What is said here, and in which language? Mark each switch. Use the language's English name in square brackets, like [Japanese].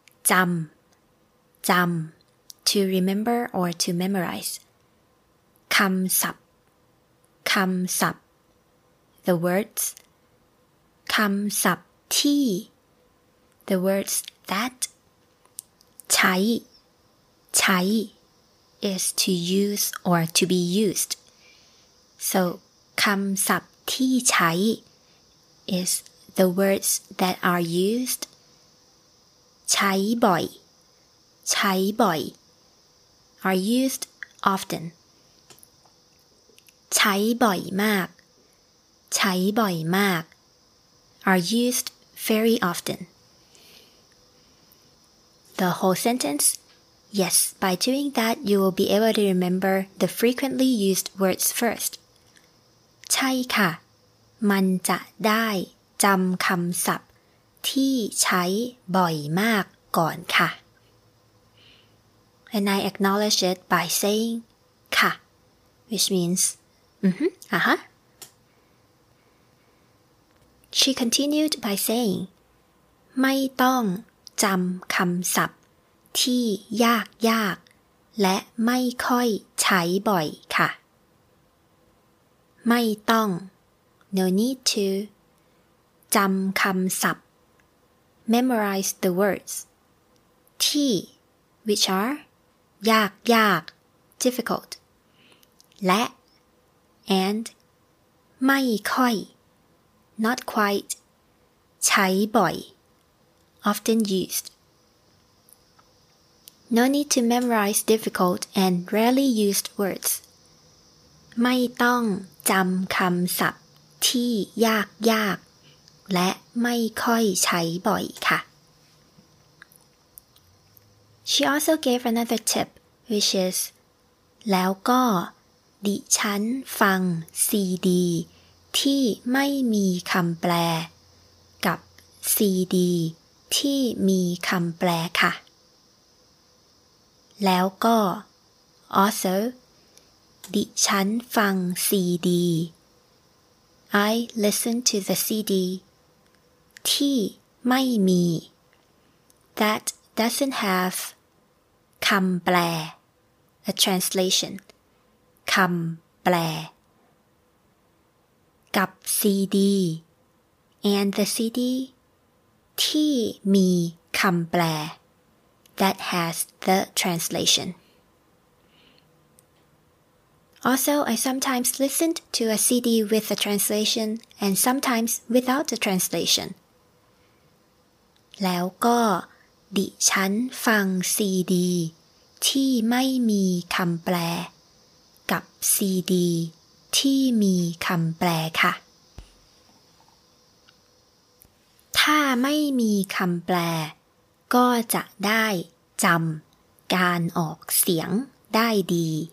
[Thai] จำจำ [English] to remember or to memorize [Thai] คำศัพท์คำศัพท์ [English] the words [Thai] คำศัพท์ที่ [English] The words that [Thai] ใช้ใช้ [English] is to use or to be used. So, [Thai] คำศัพท์ที่ใช้ [English] is the words that are used. [Thai] ใช้บ่อยใช้บ่อย [English] are used often. [Thai] ใช้บ่อยมากใช้บ่อยมาก [English] are used very often. The whole sentence? Yes, by doing that, you will be able to remember the frequently used words first. [Thai] ใช่ค่ะ มันจะได้จำคำศัพท์ที่ใช้บ่อยมากก่อนค่ะ [English] And I acknowledge it by saying ค่ะ which means She continued by saying [Thai] ไม่ต้องจำคำศัพท์ที่ยากยากและไม่ค่อยใช้บ่อยค่ะไม่ต้อง [English] no need to [Thai] จำคำศัพท์ [English] memorize the words [Thai] ที่ [English] which are [Thai] ยากยาก [English] difficult [Thai] และ [English] and [Thai] ไม่ค่อย [English] not quite [Thai] ใช้บ่อย [English] often usedNo need to memorize difficult and rarely used words. [Thai] ไม่ต้องจำคำศัพท์ที่ยากยากและไม่ค่อยใช้บ่อยค่ะ [English] She also gave another tip, which is [Thai] แล้วก็ดิฉันฟังซีดีที่ไม่มีคำแปลกับซีดีที่มีคำแปลค่ะแล้วก็ [English] also [Thai] ดิฉันฟังซีดี [English] I listen to the CD [Thai] ที่ไม่มี [English] that doesn't have [Thai] คำแปล [English] a translation [Thai] คำแปลกับซีดี [English] and the CD [Thai] ที่มีคำแปล [English] That has the translation. Also, I sometimes listened to a CD with a translation and sometimes without a translation. [Thai] แล้วก็ดิฉันฟังซีดีที่ไม่มีคำแปล กับซีดีที่มีคำแปลค่ะถ้าไม่มีคำแปลก็จะได้จำการออกเสียงได้ดี